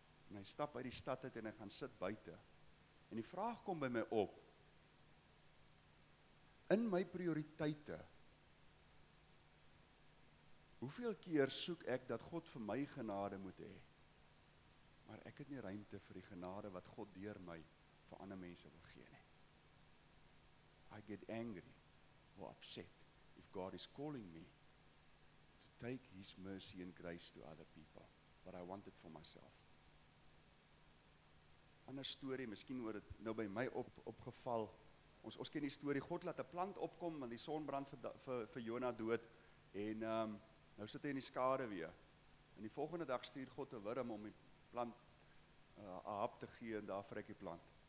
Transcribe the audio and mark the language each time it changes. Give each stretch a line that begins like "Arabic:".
Afrikaans: En hy stap uit die stad uit en hy gaan sit buite. En die vraag kom by my op, in my prioriteite, hoeveel keer soek ek dat God vir my genade moet hê, maar ek het nie ruimte vir die genade wat God deur my vir ander mense wil gee nie.
English: I get angry or upset if God is calling me to take his mercy and grace to other people, but I want it for myself.
Afrikaans: Ander story, miskien oor het nou by my opgeval, ons ken die story, God laat 'n plant opkom, want die son brand vir Jona dood, en nou sit hy in die skade weer, en die volgende dag stuur God 'n wurm om die plant a hap te gee, en daar vrek die plant.